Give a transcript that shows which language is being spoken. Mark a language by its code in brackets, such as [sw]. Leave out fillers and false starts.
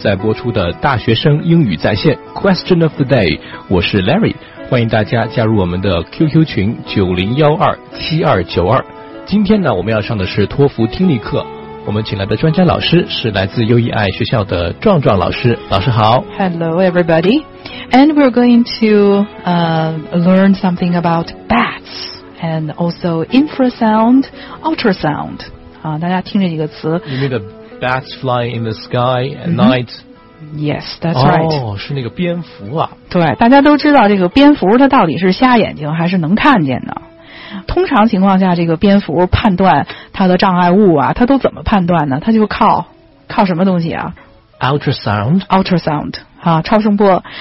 [zh] 在播出的大学生英语在线 Question of the Day， 我是 Larry， 欢迎大家加入我们的 QQ 群90127292。今天呢，我们要上的是托福听力课，我们请来的专家老师是来自 UEI 学校的壮壮老师。老师好。 [en] Hello everybody, and we're going to learn something about bats and also infrasound, ultrasound. [zh] 大家听着一个词。 [en] You mean the bats flying in the sky at night? Yes, that's right. [zh] 哦，是那个蝙蝠啊。对，大家都知道这个蝙蝠它到底是瞎眼睛还是能看见的。通常情况下，这个蝙蝠判断它的障碍物啊，它都怎么判断呢？它就靠什么东西啊 [en] ？Ultrasound. [zh] Ultrasound. 啊，超声波。